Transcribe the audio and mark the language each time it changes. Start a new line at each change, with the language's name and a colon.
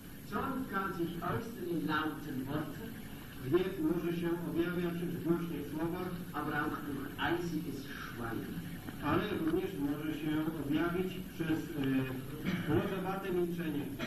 German: Zorn kann sich äußern in lauten Worten.
Polish: Gniew może się objawiać w głośnych słowach.
German: Aber auch durch eisiges Schweigen.
Polish: ale również może się objawić przez rozerwane milczenie.